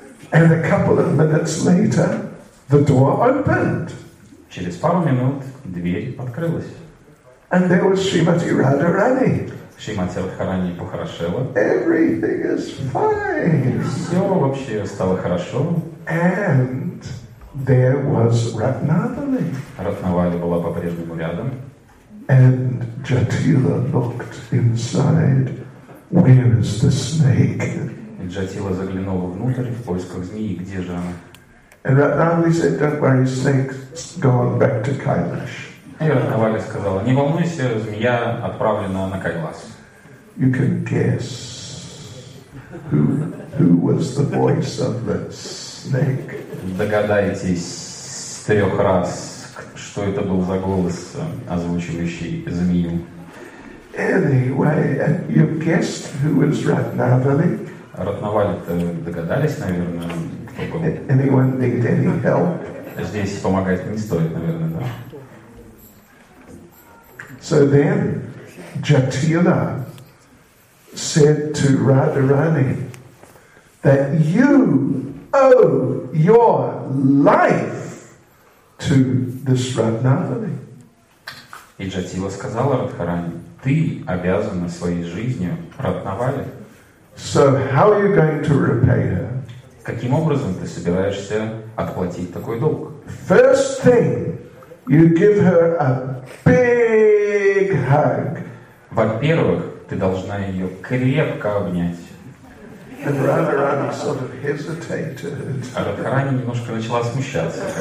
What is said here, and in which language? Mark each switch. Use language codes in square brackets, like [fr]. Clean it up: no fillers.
[en] And a couple of minutes later, the door opened. [ru] Через пару минут дверь открылась. [en] And there was Shrimati Radharani. [ru] Шримати Радхарани похорошела. [en] Everything is fine. [ru] Все вообще стало хорошо. [en] And there was Ratnavali. [ru] Ратнавали была по-прежнему рядом. [en] And Jatila looked inside. Where is the snake? [ru] Jatila заглянула внутрь в поисках змеи. Где же она? [en] And Ratnavali said, "Don't worry, snake's gone back to Kailash." [ru] И Ратнавали сказала, "Не волнуйся, змея отправлена на Кайлас." [en] You can guess who was the voice of the snake. [ru] Догадайтесь трех раз. Что это был за голос, озвучивающий змею? [en] Anyway, you guessed who was Ratnavali? [ru] Ратнавали-то догадались, наверное, кто был. [en] Anyone need any help? [ru] Здесь помогать не стоит, наверное, да. [en] So then, Jatila said to Radharani that you owe your life to this Ratnavali. [ru] И Джатила сказала Радхарани, ты обязана своей жизнью Ратнавали. [en] So how are you going to repay her? [ru] Каким образом ты собираешься отплатить такой долг? [en] First thing, you give her a big hug. [ru] Во-первых, ты должна ее крепко обнять. [en] And Radharani sort of hesitated. [ru] А Радхарани немножко начала смущаться.